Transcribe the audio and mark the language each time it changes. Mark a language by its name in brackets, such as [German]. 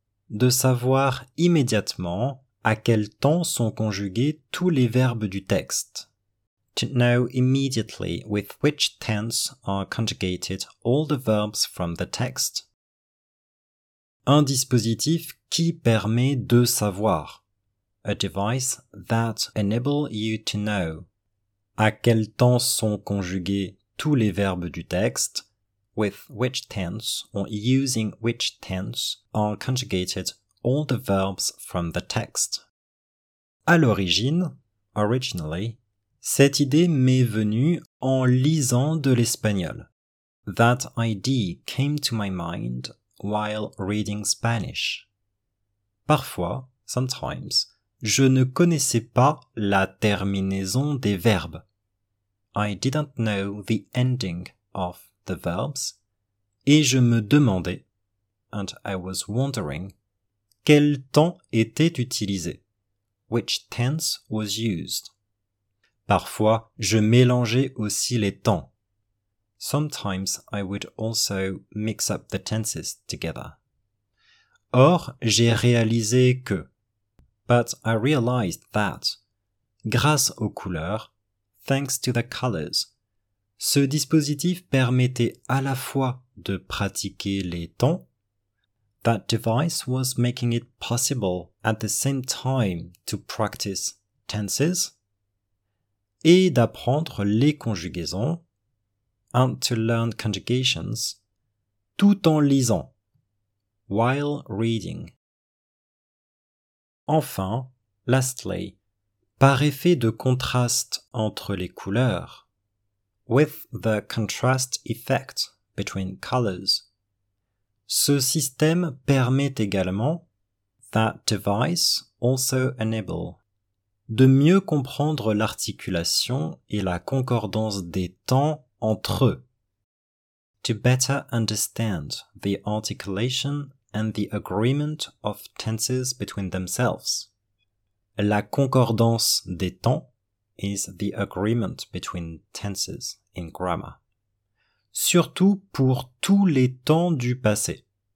[French] de savoir immédiatement à quel temps sont conjugués tous les verbes du texte. [English] To know immediately with which tense are conjugated all the verbs from the text. [French] Un dispositif qui permet de savoir. [English] A device that enables you to know. [French] À quel temps sont conjugués tous les verbes du texte. [English] With which tense, or using which tense, are conjugated all the verbs from the text. [French] À l'origine, [English] originally, [French] cette idée m'est venue en lisant de l'espagnol. [English] That idea came to my mind while reading Spanish. [French] Parfois, [English] sometimes, [French] je ne connaissais pas la terminaison des verbes. [English] I didn't know the ending of the verbs. [French] Et je me demandais, [English] and I was wondering, [French] quel temps était utilisé. [English] Which tense was used? [French] Parfois, je mélangeais aussi les temps. [English] Sometimes I would also mix up the tenses together. [French] Or, j'ai réalisé que, [English] but I realized that, [French] grâce aux couleurs, [English] thanks to the colors, [French] ce dispositif permettait à la fois de pratiquer les temps, [English] that device was making it possible at the same time to practice tenses, [French] et d'apprendre les conjugaisons, [English] and to learn conjugations, [French] tout en lisant, [English] while reading. [French] Enfin, [English] lastly, [French] par effet de contraste entre les couleurs, [English] with the contrast effect between colors, [French] ce système permet également, [English] that device also enable, [French] de mieux comprendre l'articulation et la concordance des temps entre eux. [English] To better understand the articulation and the agreement of tenses between themselves. [French] La concordance des temps [English] is the agreement between tenses in grammar. [French] Surtout pour tous les temps du passé.